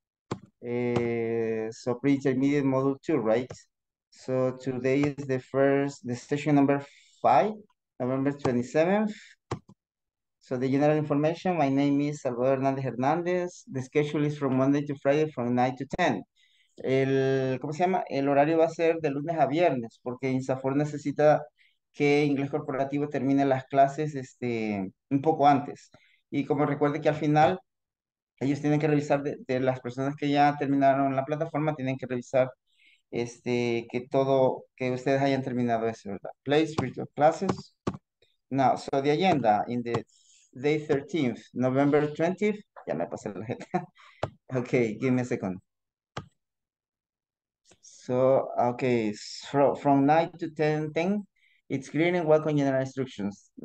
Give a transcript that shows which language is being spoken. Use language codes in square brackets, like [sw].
[en] So, pre-intermediate module 2, right? So, today is the session number 5, November 27th. So the general information, my name is Salvador Hernández Hernández. The schedule is from Monday to Friday from 9 to 10. [es] ¿Cómo se llama? El horario va a ser de lunes a viernes, porque INSAFOR necesita que Inglés Corporativo termine las clases un poco antes. Y como recuerde que al final, ellos tienen que revisar de las personas que ya terminaron la plataforma, tienen que revisar que todo, que ustedes hayan terminado eso, ¿verdad? [en] Place virtual classes. Now, so the agenda in the day 13th, November 20th. [es] Ya me pasé la agenda. [en] Okay, give me a second. So, okay, so from 9 to 10:10, it's greeting, welcome general instructions.